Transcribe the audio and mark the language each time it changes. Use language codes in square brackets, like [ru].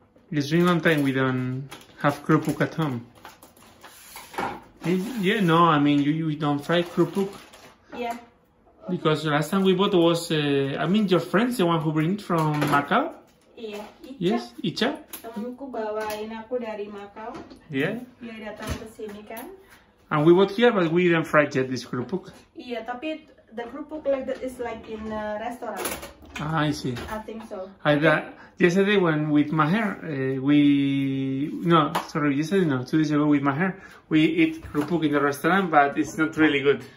[en] It's been a long time we don't have kerupuk at home. Yeah, no, I mean you don't fry kerupuk. Yeah. Because last time we bought was, your friends, the one who bring it from Macau? Yeah, Icha. [id] Temanku bawain aku dari Macau. [en] Yeah. [id] Dia datang ke sini kan. [en] And we bought here, but we didn't fry yet this kerupuk. Yeah, [id] tapi [en] the kerupuk like that is like in a restaurant. I see. I think so. Yesterday when with Maher, two days ago with Maher, we eat kerupuk in the restaurant, but it's not really good.